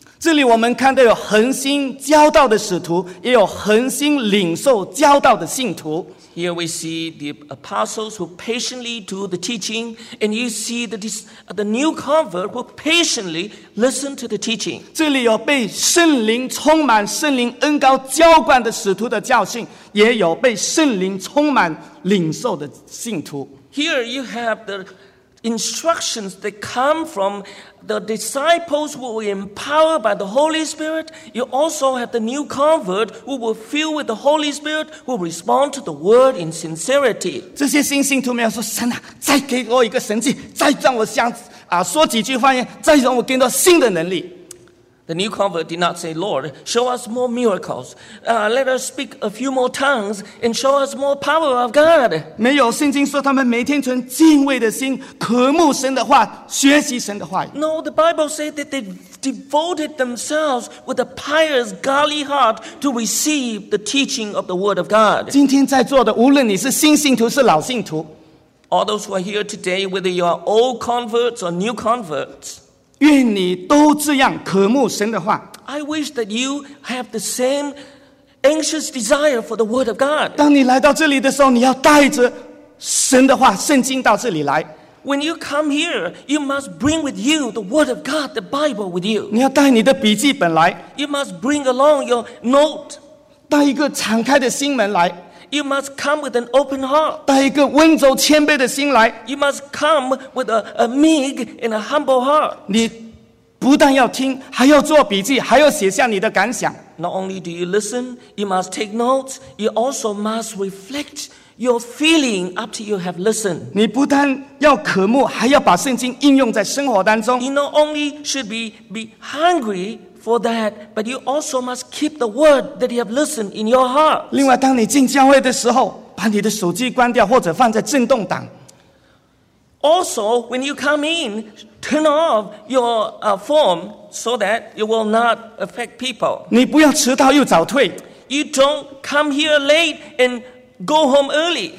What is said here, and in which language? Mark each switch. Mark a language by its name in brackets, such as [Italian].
[Chinese] 这里我们看到有恒心教导的使徒，也有恒心领受教导的信徒。 [English] Here we see the apostles who patiently do the teaching, and you see the new convert who patiently listen to the teaching. [Chinese] 这里有被圣灵充满、圣灵恩膏浇灌的使徒的教训，也有被圣灵充满领受的信徒。 [English] Here you have the instructions that come from the disciples who were empowered by the Holy Spirit. You also have the new convert who were filled with the Holy Spirit, who respond to the word in sincerity. [Chinese] 这些新信徒没有说，神啊，再给我一个神迹，再让我想啊说几句方言，再让我更多新的能力。 [English] The new convert did not say, Lord, show us more miracles. Let us speak a few more tongues and show us more power of God. [Chinese] 没有圣经说他们每天存敬畏的心，渴慕神的话，学习神的话。 [English] No, the Bible said that they devoted themselves with a pious, godly heart to receive the teaching of the word of God. [Chinese] 今天在座的，无论你是新信徒是老信徒， [English] All those who are here today, whether you are old converts or new converts, [Chinese] 愿你都这样渴慕神的话。 [English] I wish that you have the same anxious desire for the word of God. [Chinese] 当你来到这里的时候，你要带着神的话、圣经到这里来。 [English] When you come here, you must bring with you the word of God, the Bible with you. [Chinese] 你要带你的笔记本来。 [English] You must bring along your note. [Chinese] 带一个敞开的心门来。 [English] You must come with an open heart. [Chinese] 带一个温柔谦卑的心来。 [English] You must come with a meek and a humble heart. [Chinese] 你不但要听，还要做笔记，还要写下你的感想。 [English] Not only do you listen, you must take notes. You also must reflect your feeling after you have listened. [Chinese] 你不但要渴慕，还要把圣经应用在生活当中。 [English] You not only should be hungry. For that, but you also must keep the word that you have listened in your heart. [Chinese] 另外，当你进教会的时候，把你的手机关掉或者放在震动档。 [English] Also, when you come in, turn off your phone so that you will not affect people. [Chinese] 你不要迟到又早退。 [English] You don't come here late and go home early.